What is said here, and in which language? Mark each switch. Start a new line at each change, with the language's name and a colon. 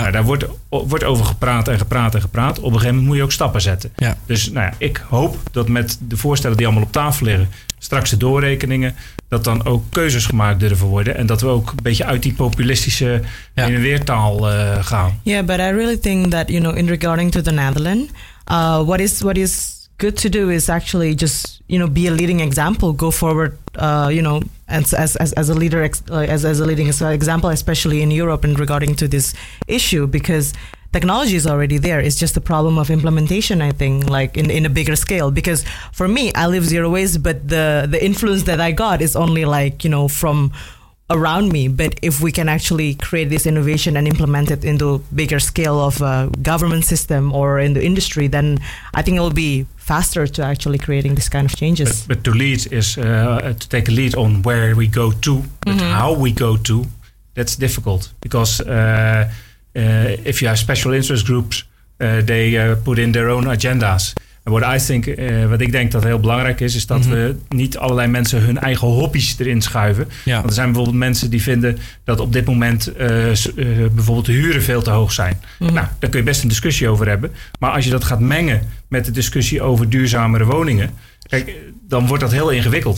Dutch: Nou, daar wordt over gepraat en gepraat en gepraat. Op een gegeven moment moet je ook stappen zetten. Ja. Dus nou ja, ik hoop dat met de voorstellen die allemaal op tafel liggen, straks de doorrekeningen, dat dan ook keuzes gemaakt durven worden. En dat we ook een beetje uit die populistische heen en weertaal gaan.
English: Ja, yeah, but I really think that, you know, in regarding to the Netherlands, what is good to do is actually just, you know, be a leading example, go forward, as a leading example, especially in Europe in regarding to this issue, because technology is already there. It's just a problem of implementation, I think, like in a bigger scale. Because for me, I live zero waste, but the influence that I got is only like, you know, from around me. But if we can actually create this innovation and implement it into bigger scale of a government system or in the industry, then I think it will be faster to actually creating this kind of changes. But to lead is to take a lead on where we go to, mm-hmm. how we go to, that's difficult because if you have special interest groups, they put in their own agendas.
Dutch: Wat ik denk dat heel belangrijk is, is dat mm-hmm. we niet allerlei mensen hun eigen hobby's erin schuiven. Ja. Want er zijn bijvoorbeeld mensen die vinden dat op dit moment bijvoorbeeld de huren veel te hoog zijn. Mm-hmm. Nou, daar kun je best een discussie over hebben. Maar als je dat gaat mengen met de discussie over duurzamere woningen, kijk, dan wordt dat heel ingewikkeld.